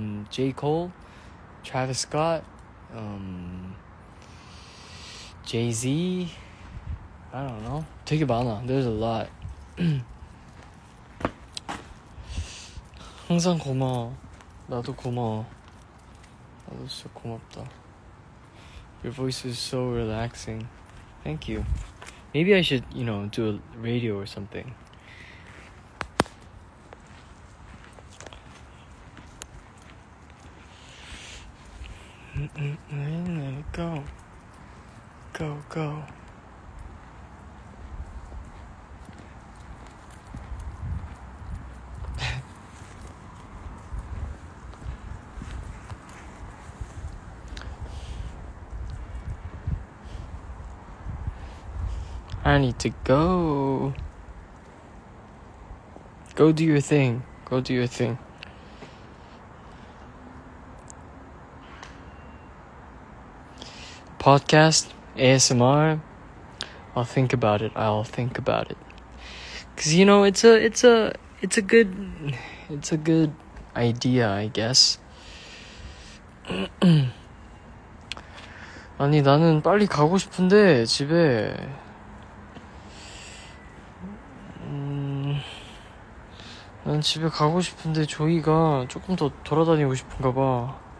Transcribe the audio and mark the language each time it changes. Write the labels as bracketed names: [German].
[English] J. Cole, Travis Scott, Jay-Z. I don't know. [Korean] 되게 많아. [English] There's a lot. [Korean] 항상 고마워. 나도 진짜 고맙다. [English] Your voice is so relaxing. Thank you. Maybe I should, you know, do a radio or something. Go. Go, go. I need to go. Go do your thing. Go do your thing. Podcast, ASMR. I'll think about it. I'll think about it. Cause you know it's a good idea, I guess. [Korean] 아니 나는 빨리 가고 싶은데 집에. 난 집에 가고 싶은데 조이가 조금 더 돌아다니고 싶은가 봐.